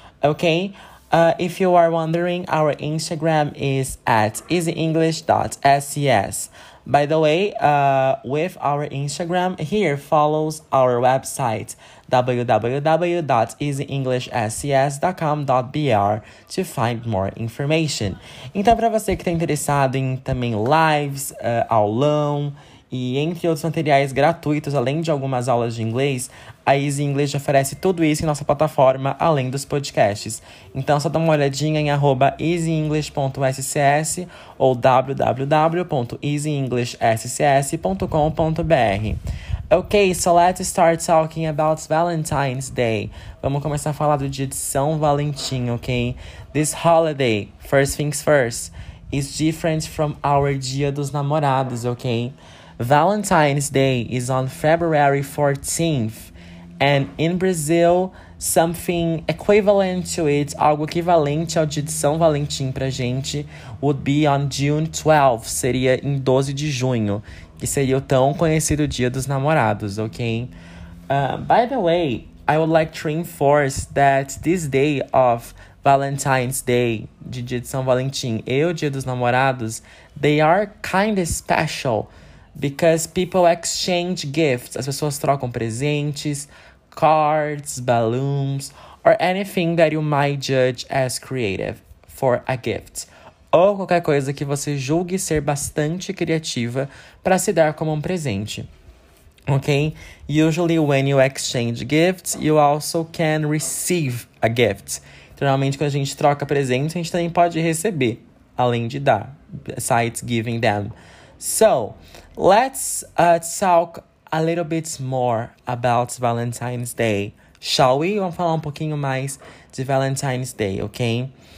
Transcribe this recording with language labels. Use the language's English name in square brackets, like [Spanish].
[English] Okay, if you are wondering, our Instagram is at easyenglish.ses. By the way, with our Instagram, here follows our website www.easyenglishscs.com.br to find more information. [Portuguese] Então, para você que está interessado em também lives, aulão e entre outros materiais gratuitos, além de algumas aulas de inglês, a Easy English oferece tudo isso em nossa plataforma, além dos podcasts. Então, só dá uma olhadinha em @easyenglish.scs ou www.easyenglishscs.com.br. [English] Okay, so let's start talking about Valentine's Day. [Portuguese] Vamos começar a falar do dia de São Valentim, okay? [English] This holiday, first things first, is different from our Dia dos Namorados, okay? Valentine's Day is on February 14th, and in Brazil, something equivalent to it, [Portuguese] algo equivalente ao dia de São Valentim pra gente, [English] would be on June 12th, [Portuguese] seria em 12 de junho, que seria o tão conhecido Dia dos Namorados, ok? [English] By the way, I would like to reinforce that this day of Valentine's Day, [Portuguese] de dia de São Valentim e o Dia dos Namorados, [English] they are kind of special. Because people exchange gifts, [Portuguese] as pessoas trocam presentes, [English] cards, balloons, or anything that you might judge as creative for a gift. [Portuguese] Ou qualquer coisa que você julgue ser bastante criativa para se dar como um presente. Ok? [English] Usually when you exchange gifts, you also can receive a gift. [Portuguese] Normalmente quando a gente troca presentes, a gente também pode receber, além de dar, [English] besides giving them. So, let's talk a little bit more about Valentine's Day, shall we? [Portuguese] Vamos falar um pouquinho mais de Valentine's Day, ok?